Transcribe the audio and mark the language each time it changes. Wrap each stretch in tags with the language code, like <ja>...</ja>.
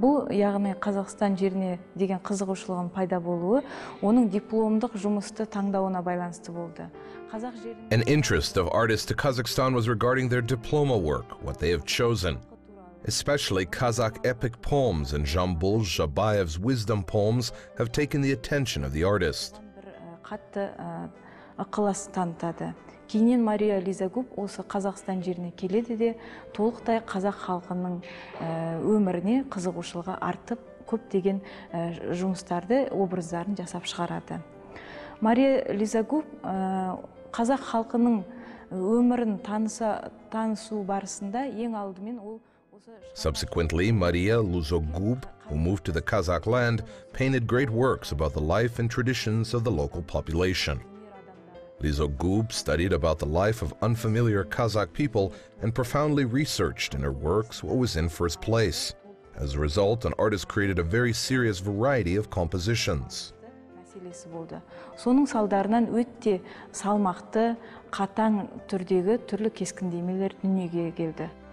<kk>Яғни Қазақстан жеріне деген қызығушылығын пайда болуы оның дипломдық жұмысты таңдауына байланысты болды. Қазақ жерінде</kk> <en>An interest of artists to Kazakhstan was regarding their diploma work, what they have chosen, especially Kazakh epic poems and Жамбул Жабаев's wisdom poems have taken the attention of the artist.</en> <kk>Қатты ықылас танытады. Кейіннен Мария Лизогуб осы Қазақстан жеріне келеді де, толықтай қазақ халқының өміріне қызығушылығы артып, көптеген жұмыстарды, образдарын жасап шығарады. Мария Лизогуб қазақ халқының өмірін танысу барысында ең алдымен ол осы</kk> <en>Subsequently, Мария Лизогуб, who moved to the Kazakh land, painted great works about the life and traditions of the local population. Lizogub studied about the life of unfamiliar Kazakh people and profoundly researched in her works what was in first place. As a result, an artist created a very serious variety of compositions.</en> <kk>Соның салдарынан өтте салмақты, қатаң түрдегі түрлі кескіндемелер дүниеге келді.</kk>